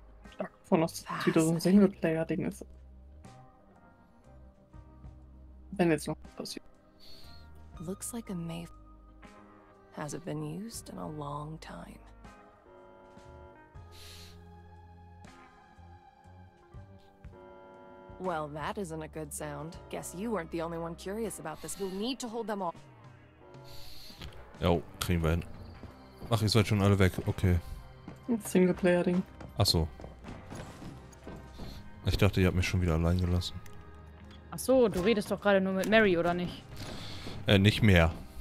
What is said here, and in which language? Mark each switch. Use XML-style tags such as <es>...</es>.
<de>Stark von aus, dass das wieder so ein Singleplayer-Ding ist. Wenn jetzt noch was passiert.</de> <en>Looks like a Mayflower. Hasn't been used in a long time. Well, that isn't a good sound. Guess you weren't the only one curious about this. You'll need to hold them all.</en> <de>Jo, kriegen wir hin. Ach, ihr seid schon alle weg. Okay. Singleplayer-Ding. Achso. Ich dachte, ihr habt mich schon wieder allein gelassen. Achso, du redest doch gerade nur mit Mary, oder nicht? Nicht mehr.</de>